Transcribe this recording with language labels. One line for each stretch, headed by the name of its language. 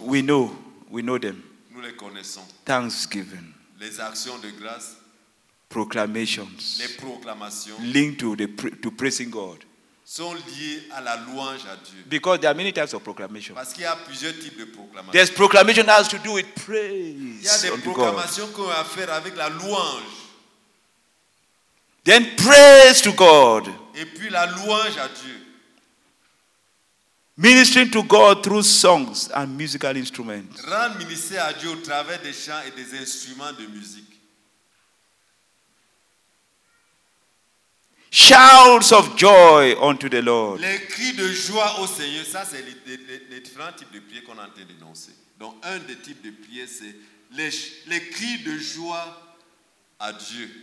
English: We know them.
French: Nous les connaissons.
English: Thanksgiving.
French: Les actions de grâce.
English: Proclamations.
French: Les proclamations.
English: Linked to praising God.
French: Sont liés à la louange à Dieu.
English: Because there are many types of proclamation.
French: Parce qu'il y a plusieurs types de proclamation.
English: There's proclamation that has to do with praise.
French: Il y a des proclamations qu'on a faire avec la louange.
English: Then praise to God.
French: Et puis la louange à Dieu.
English: Ministering to God through songs and musical instruments.
French: Rendre ministère à Dieu au travers des chants et des instruments de musique.
English: Shouts of joy unto the Lord.
French: Les cris de joie au Seigneur, ça c'est les différents types de prières qu'on a en train d'énoncer. Donc un des types de prières c'est les cris de joie à Dieu.